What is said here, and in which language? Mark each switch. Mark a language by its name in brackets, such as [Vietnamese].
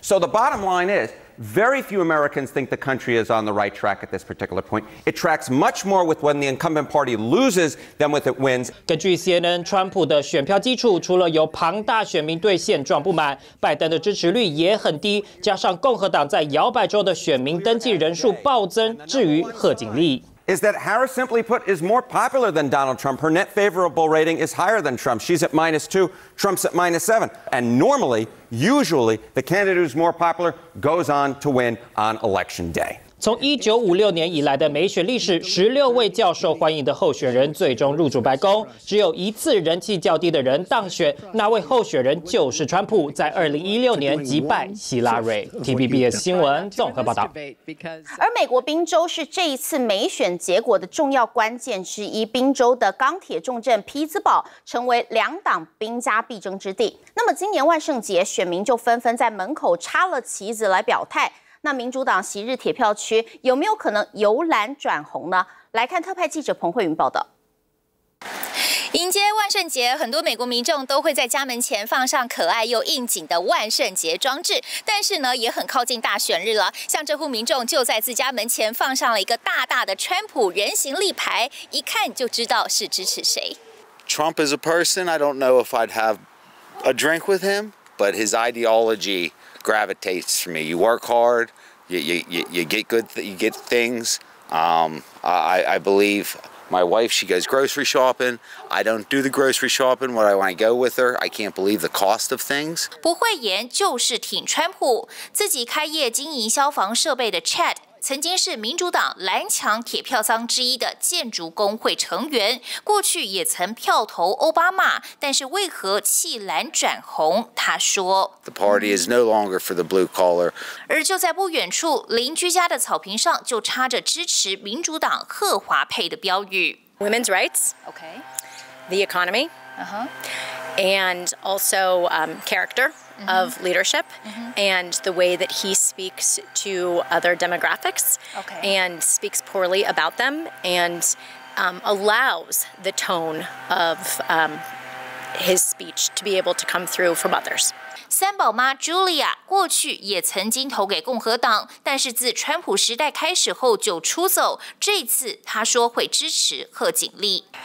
[English] So the bottom line is. Very few Americans think the country is on the right track at this particular point. It tracks much more with when the incumbent party loses than with it wins. [Chinese] 根据 CNN， 川普的选票基础除了有庞大选民对现状不满，拜登的支持率也很低，加上共和党在摇摆州的选民登记人数暴增。至于贺锦丽。 [English] Is that Harris, simply put, is more popular than Donald Trump. Her net favorable rating is higher than Trump. She's at -2, Trump's at -7. And normally, usually, the candidate who's more popular goes on to win on election day. [Chinese] 从1956年以来的美选历史，16位较受欢迎的候选人最终入主白宫，只有一次人气较低的人当选，那位候选人就是川普，在2016年击败希拉瑞。 TVBS 新闻综合报道。而美国宾州是这一次美选结果的重要关键之一，宾州的钢铁重镇匹兹堡成为两党兵家必争之地。那么今年万圣节，选民就纷纷在门口插了旗子来表态，那民主党昔日铁票区有没有可能由蓝转红呢？来看特派记者彭慧云报道。迎接万圣节，很多美国民众都会在家门前放上可爱又应景的万圣节装置，但是呢，也很靠近大选日了，像这户民众就在自家门前放上了一个大大的川普人形立牌，一看就知道是支持谁。 [English] Trump is a person. I don't know if I'd have a drink with him, but his ideologygravitates for me. You work hard, you get good, you get things. I believe my wife, she goes grocery shopping. I don't do the grocery shopping. What I want to go with her, I can't believe the cost of things. [Chinese] 不会言就是挺川普，自己开业经营消防设备的 Chad。曾经是民主党蓝墙铁票仓之一的建筑工会成员，过去也曾票投奥巴马，但是为何弃蓝转红？他说 [English] ：“The party is no longer for the blue collar。” [Chinese] 而就在不远处，邻居家的草坪上就插着支持民主党贺华佩的标语 [English] ：“Women's rights, okay, the economy, uh-huh, and also character.” Of leadership and the way that he speaks to other demographics and speaks poorly about them and allows the tone of his speech to be able to come through from others. [Chinese] 三宝妈 Julia 过去也曾经投给共和党，但是自川普时代开始后就出走。这次她说会支持贺锦丽。